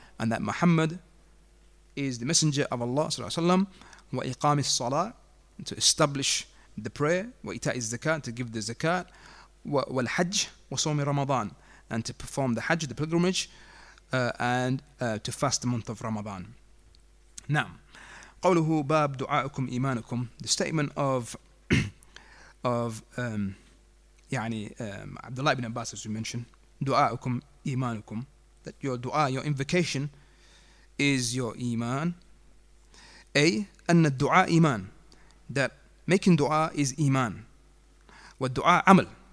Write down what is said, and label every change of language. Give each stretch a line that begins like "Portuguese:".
English: And that Muhammad is the messenger of Allah sallallahu alayhi wa sallam.
Arabic: Wa iqami s-salah,
English: to establish the prayer.
Arabic: Wa ita'i zakat,
English: to give the zakat.
Arabic: Wa al-hajj wa sawmi ramadan,
English: and to perform the hajj, the pilgrimage. To fast the month of Ramadan. Naam.
Arabic: قوله باب دعاءكم إيمانكم.
English: The statement of Abdullah ibn Abbas, as we mentioned,
Arabic: دعاءكم إيمانكم,
English: that your dua, your invocation, is your iman. A
Arabic: أن الدعاء إيمان,
English: that making dua is iman.
Arabic: والدعاء عمل.